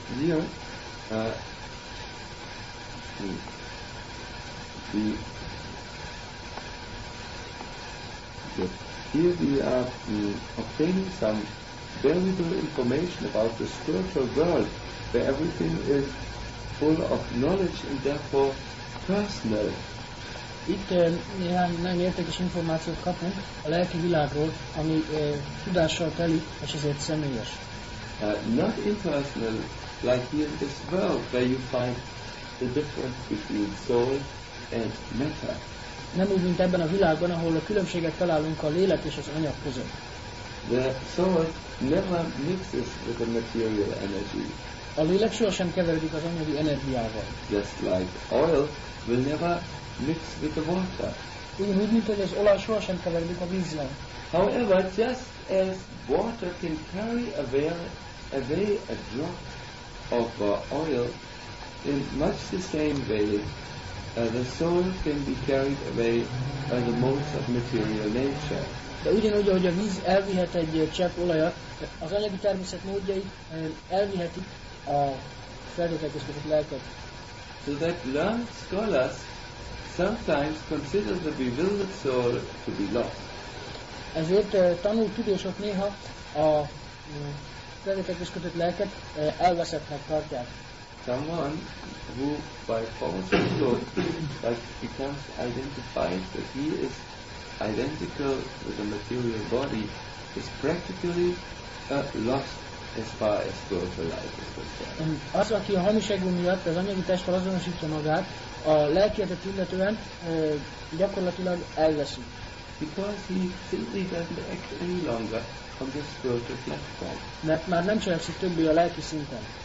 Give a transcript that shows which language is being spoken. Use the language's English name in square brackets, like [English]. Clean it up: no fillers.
[English] Here, obtaining some valuable information about the spiritual world, where everything is full of knowledge and therefore personal. [Hungarian] Itt néhány nagyon értékes információt kapunk a lelki világról, ami tudással teli, és ezért személyes. [English] Not impersonal, like here in this world, where you find the difference between soul and matter. [Hungarian] Nem úgy, mint ebben a világban, ahol a különbséget találunk a lélek és az anyag között. [English] The soul never mixes with the material energy. [Hungarian] A lélek sohasem keveredik az anyagi energiával. [English] Just like oil will never mix with the water. However, just as water can carry away a drop of oil, in much the same way, the soul can be carried away by the modes of material nature. [Hungarian] De ugyanúgy, ahogy a víz elvihet egy csepp olajat, az anyagi természet módjai elvihetik a feltételkezkedett lelket. [English] So that learned scholars sometimes consider the bewildered soul to be lost. [Hungarian] Ezért tanult tudósok néha a feltételkezkedett lelket elveszettnek tartják. [English] Someone who by false thought becomes identified that he is identical with the material body is practically lost as far as spiritual life is concerned. [Hungarian] Az, aki a hamiságú miatt az anyagi testtel azonosítja magát, a lelkiértet illetően gyakorlatilag elveszik. [English] Because he simply doesn't act any longer on the spiritual platform. [Hungarian] Mert már nem cselekszik többé a lelki szinten.